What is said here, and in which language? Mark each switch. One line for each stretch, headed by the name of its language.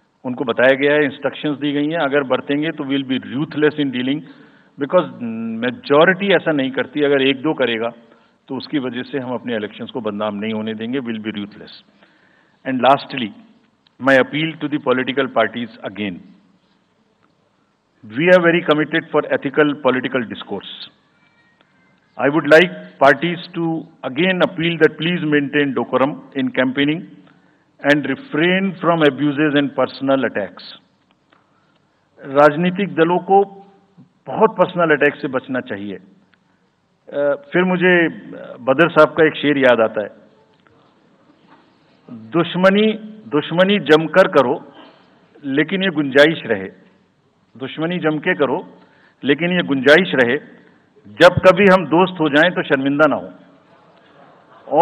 Hindi: उनको बताया गया है, इंस्ट्रक्शंस दी गई हैं, अगर बरतेंगे तो
English: will be ruthless in dealing,
Hindi: because majority ऐसा नहीं करती, अगर एक दो करेगा तो उसकी वजह से हम अपने इलेक्शंस को बदनाम नहीं होने देंगे,
English: Will be ruthless. And lastly my appeal to the political parties again, we are very committed for ethical political discourse. I would like parties to again appeal that please maintain decorum in campaigning and refrain from abuses and personal attacks.
Hindi: rajnitik dalon ko बहुत personal attack से बचना चाहिए। फिर मुझे बदर साहब का एक शेर याद आता है, दुश्मनी दुश्मनी जमकर करो लेकिन ये गुंजाइश रहे, दुश्मनी जम के करो लेकिन ये गुंजाइश रहे, जब कभी हम दोस्त हो जाएं तो शर्मिंदा ना हो।